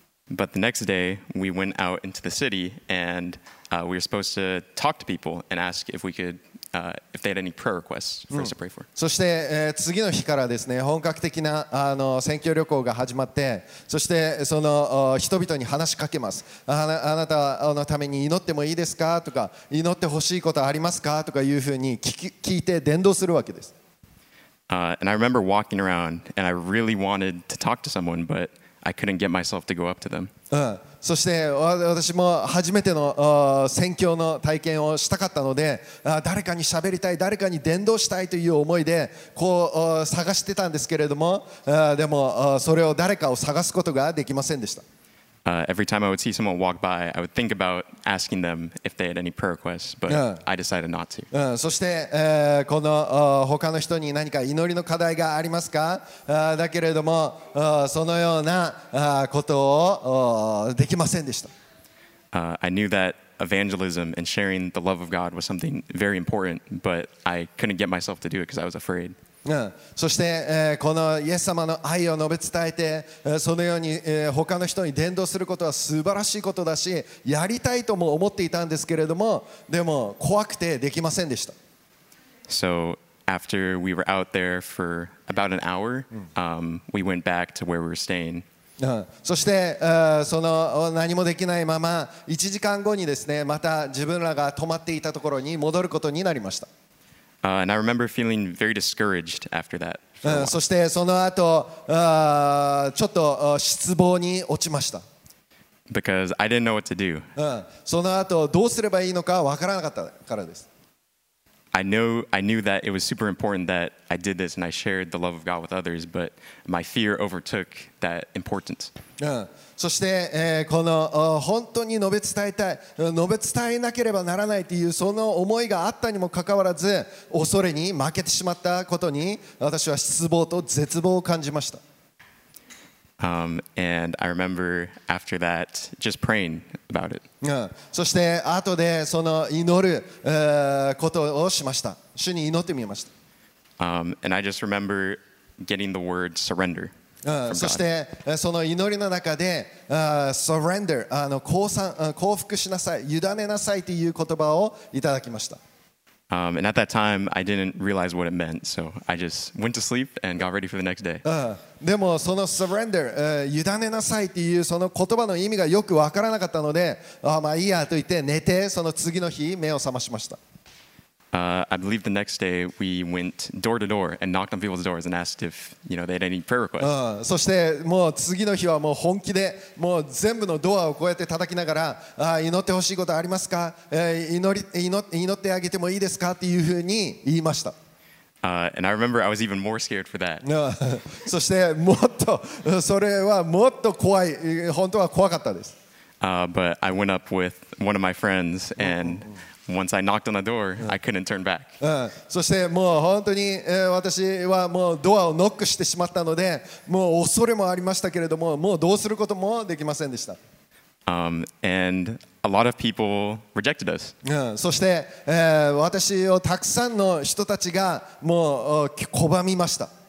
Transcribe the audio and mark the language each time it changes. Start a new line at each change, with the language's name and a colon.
English: But the next day we went out into the city and we were supposed to talk to people and ask if we could. If they had any prayer requests for us to pray for.
Japanese: そして、次の日からですね、本格的な宣教旅行が始まって、そしてその人々に話しかけます。あなたのために祈ってもいいですかとか、祈ってほしいことありますかとかいうふうに聞いて伝道するわけです。
English: And I remember walking around and I really wanted to talk to someone, but I couldn't get myself to go up to them.
Japanese: そして私も初めての宣教の体験をしたかったので、誰かに喋りたい、誰かに伝道したいという思いでこう探してたんですけれども、でもそれを誰かを探すことができませんでした。
English: Every time I would see someone walk by, I would think about asking them if they had any prayer requests, but I decided not to.
Japanese: そして、この他の人に何か祈りの課題がありますか？だけれども、そのようなことをできませんでした。
English: I knew that evangelism and sharing the love of God was something very important, but I couldn't get myself to do it because I was afraid.
Japanese: そして、このイエス様の愛を述べ伝えて、そのように、他の人に伝道することは素晴らしいことだし、やりたいとも思っていたんですけれども、でも怖くてできませんでした。
English: So, after we were out there for about an hour, we went back to where we were staying.
Japanese: そして、その何もできないまま、1時間後にですね、また自分らが泊まっていたところに戻ることになりました。
English: And I remember feeling very discouraged after that.
Japanese: そしてその後、ちょっと失望に落ちました。
English: because I didn't know what to do.
Japanese: その後どうすればいいのかわからなかったからです。
English: I knew that it was super important that I did this and I shared the love of God with others, but my fear overtook that importance.
Japanese: そして、この本当に述べ伝えたい、述べ伝えなければならないっていうその思いがあったにもかかわらず、恐れに負けてしまったことに私は失望と絶望を感じました。
English: And I remember after that just praying about it.
Japanese: そして後でその祈る、ことをしました。主に祈ってみました。
English: And I just remember getting the word surrender.
Japanese: そしてその祈りの中で、surrender、降伏しなさい、委ねなさいという言葉をいただきました。
English: And at that time, I didn't realize what it meant, so I just went to sleep and got ready for the next day.
Japanese: でもその surrender、委ねなさいっていうその言葉の意味がよくわからなかったので、まあいいやと言って寝てその次の日目を覚ましました。
English: I believe the next day we went door to door and knocked on people's doors and asked if you know they had any prayer requests.
Japanese: そしてもう次の日はもう本気でもう全部のドアをこうやって叩きながら、祈ってほしいことありますか、祈ってあげてもいいですかっていうふうに言いました。
English: And I remember I was even more scared for that.
Japanese: そしてもっとそれはもっと怖い、本当は怖かったです。
English: But I went up with one of my friends and Once I knocked on the door, I couldn't turn back.
Japanese: そしてもう本当に私はもうドアをノックしてしまったので、もう恐れもありましたけれども、もうどうすることもできませんでした。
English: And a lot of people rejected us.
Japanese: そして私をたくさんの人たちがもう拒みました。